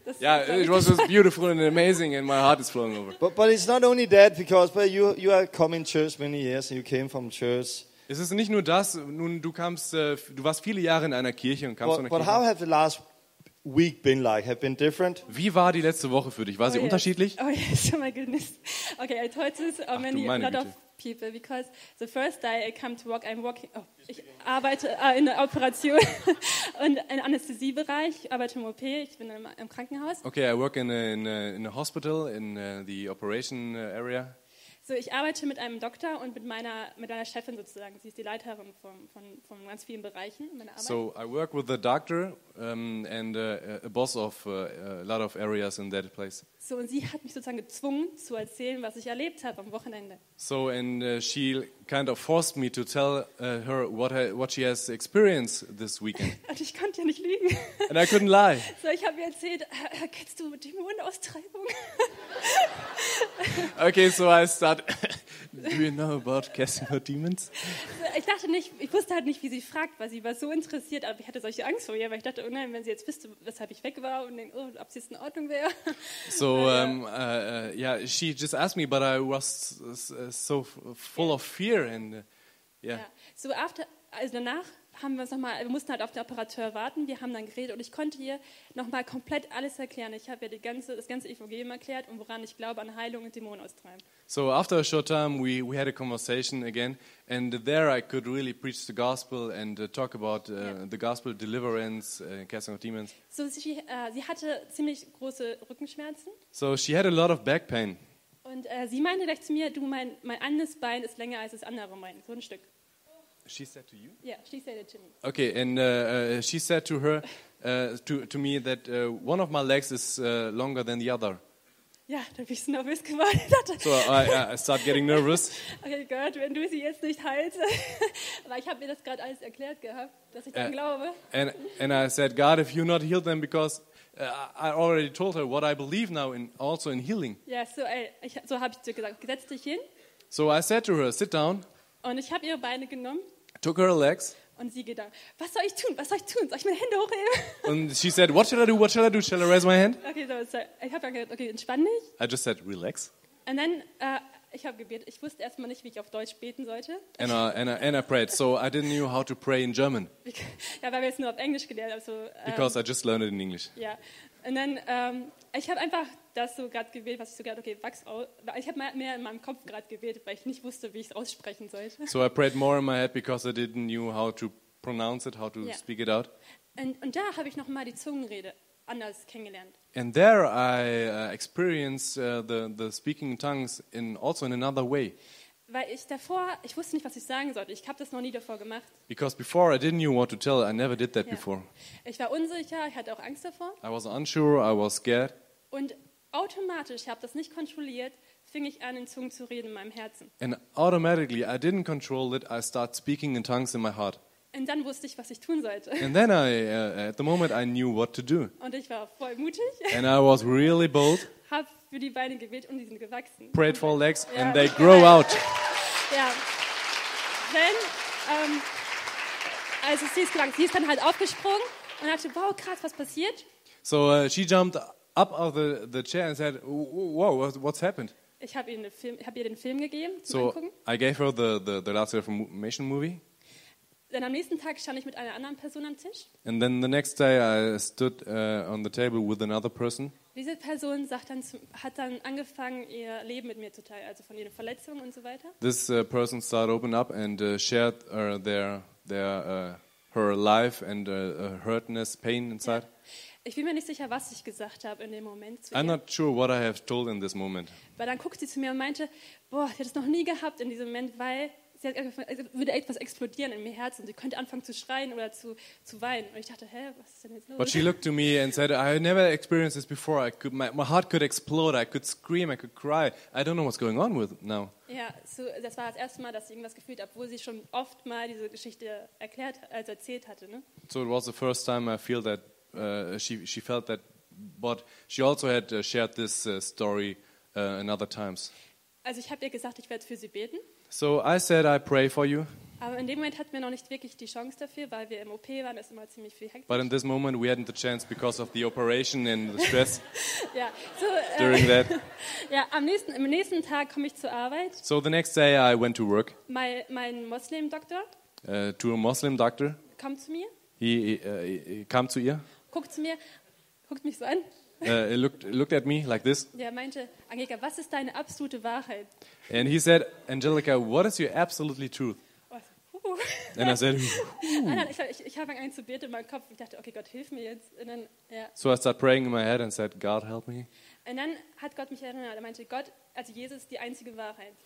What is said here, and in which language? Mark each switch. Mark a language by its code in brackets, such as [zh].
[en] Yeah, it was just beautiful and amazing, and my heart is flowing over. But it's not only that because but you are coming to church many years, and you came from church. [de] Es ist nicht nur das. Nun, du warst viele Jahre in einer Kirche und kamst von einer Kirche. [en] But how have the last week been like? Have been different? [de] Wie war die letzte Woche für dich? War sie unterschiedlich? [en] Oh yes, oh my goodness. Okay, I told this to many a lot of people because the first day I come to work, I'm working. [de] Oh, ich arbeite in der Operation und im Anästhesiebereich, arbeite im OP, ich bin im Krankenhaus. [en] Okay, I work in a hospital, in the operation area. [de] So, ich arbeite mit einem Doktor und mit einer Chefin sozusagen. Sie ist die Leiterin von ganz vielen Bereichen meiner Arbeit. [en] So, I work with a doctor and a boss of a lot of areas in that place. [de] So, und sie hat mich sozusagen gezwungen zu erzählen, was ich erlebt habe am Wochenende. [en] So, and she kind of forced me to tell her what she has experienced this weekend. [de] Und ich konnte ja nicht lügen. [en] And I couldn't lie. [de] So, ich habe ihr erzählt, kennst du Dämonenaustreibung? [en] Okay, so I start. Do you know about casting out demons? [de] Ich dachte nicht, ich wusste halt nicht, wie sie fragt, weil sie war so interessiert, aber ich hatte solche Angst vor ihr, weil ich dachte, oh nein, wenn sie jetzt wüsste, weshalb ich weg war und ob sie es in Ordnung wäre. [en] So, yeah, she just asked me, but I was so full of fear and yeah. So after, [de] also danach haben wir uns nochmal, wir mussten halt auf den Operateur warten, wir haben dann geredet und ich konnte ihr nochmal komplett alles erklären. Ich habe ihr das ganze Evangelium erklärt und woran ich glaube, an Heilung und Dämonen austreiben. [en] So after a short time we had a conversation again and there I could really preach the gospel and talk about the gospel deliverance, casting of demons. [de] So sie hatte ziemlich große Rückenschmerzen. [en] So she had a lot of back pain. [de] Und sie meinte gleich zu mir, du, mein anderes Bein ist länger als das andere Bein, so ein Stück. [en] She said to you? Yeah, she said it to me. Okay, and she said to her, to me, that one of my legs is longer than the other. [de] Ja, da bin ich so nervös geworden. [en] So, I start getting nervous. [de] Okay, Gott, wenn du sie jetzt nicht heilst. Aber ich habe mir das gerade alles erklärt gehabt, dass ich dann glaube. [en] And I said, God, if you not heal them, because I already told her what I believe now in also in healing. [de] Ja, yeah, so habe ich zu ihr gesagt, setz dich hin. [en] So I said to her, sit down. [de] Und ich habe ihre Beine genommen. [en] Took her legs. [de] Und sie gedacht, was soll ich tun? Was soll ich tun? Soll ich meine Hände hochheben? [en] And she said, what shall I do? What shall I do? Shall I raise my hand? [de] Okay, so ich habe gesagt, okay, entspann dich. [en] I just said, relax. And then [de] ich habe gebetet. Ich wusste erstmal nicht, wie ich auf Deutsch beten sollte. [en] And I prayed. So I didn't know how to pray in German. [de] Ja, weil wir es nur auf Englisch gelernt haben. Also, [en] because I just learned it in English. [de] Ja. [en] Yeah. And then [de] ich habe einfach das so gerade gewählt, was ich so gerade, okay, wachs aus. Ich habe mehr in meinem Kopf gerade gewählt, weil ich nicht wusste, wie ich es aussprechen sollte. [en] So I prayed more in my head, because I didn't know how to pronounce it, how to yeah. speak it out. [de] Und da habe ich nochmal die Zungenrede anders kennengelernt. [en] And there I experienced the speaking tongues in also in another way. [de] Weil ich davor, ich wusste nicht, was ich sagen sollte. Ich habe das noch nie davor gemacht. [en] Because before I didn't know what to tell, I never did that yeah. before. [de] Ich war unsicher, ich hatte auch Angst davor. [en] I was unsure, I was scared. [de] Und automatisch, ich habe das nicht kontrolliert, fing ich an, in Zungen zu reden in meinem Herzen. [en] And automatically, I didn't control it, I start speaking in tongues in my heart. [de] Und dann wusste ich, was ich tun sollte. [en] And then I, at the moment, I knew what to do. [de] Und ich war voll mutig. [en] And I was really bold. [de] Hab für die Beine gebetet und die sind gewachsen. [en] Prayed for legs yeah. and they grow out. [de] Ja. Denn, also sie ist dann halt aufgesprungen und dachte, wow, krass, was passiert? [en] So she jumped up out of the chair and said, wow, what's happened? [de] Ich habe ihr den Film gegeben zum so angucken. [en] I gave her the Last Reformation movie. [de] Dann am nächsten Tag stand ich mit einer anderen Person am Tisch. [en] And then the next day I stood on the table with another person. [de] Diese Person hat dann angefangen ihr Leben mit mir zu teilen, also von ihren Verletzungen und so weiter. [en] This person started open up and shared her life and hurtness, pain inside. Yeah. [de] Ich bin mir nicht sicher, was ich gesagt habe in dem Moment. [en] I'm not sure what I have told in this moment. [de] Weil dann guckt sie zu mir und meinte, boah, sie hat es noch nie gehabt in diesem Moment, weil sie hat angefangen, es würde etwas explodieren in mir Herz und sie könnte anfangen zu schreien oder zu weinen. Und ich dachte, hä, was ist denn jetzt los? [en] But she looked to me and said, I never experienced this before. My heart could explode, I could scream, I could cry. I don't know what's going on with now. [de] Ja, so, das war das erste Mal, dass sie irgendwas gefühlt hat, obwohl sie schon oft mal diese Geschichte erzählt hatte. Ne? [en] So it was the first time I feel that she felt that, but she also had shared this story in other times. [de] Also ich habe ihr gesagt, ich werde für sie beten. [en] So I said I pray for you. [de] Aber in dem Moment hatten wir noch nicht wirklich die Chance dafür, weil wir im OP waren, ist immer ziemlich viel hektisch. [en] But in this moment we hadn't the chance because of the operation and the stress. [de] Ja, so [en] during that. [de] Ja, am nächsten Tag komme ich zur Arbeit. [en] So the next day I went to work. [de] Mein Muslim Doctor. [en] To a Muslim doctor. [de] Kommt zu mir. [en] He [de] kam zu ihr. Guckt zu mir, guckt mich so an. [en] looked at me like this. [de] Ja, meinte, Angelika, was ist deine absolute Wahrheit? [en] And he said, Angelica, what is your absolutely truth? And I said, [de] ich habe angefangen zu beten in meinem Kopf. Ich dachte, okay, Gott, hilf mir jetzt. [en] And then, yeah. So I started praying in my head and said, God, help me. [de] Und dann hat Gott mich erinnert. Er meinte, Gott, also Jesus ist die einzige Wahrheit.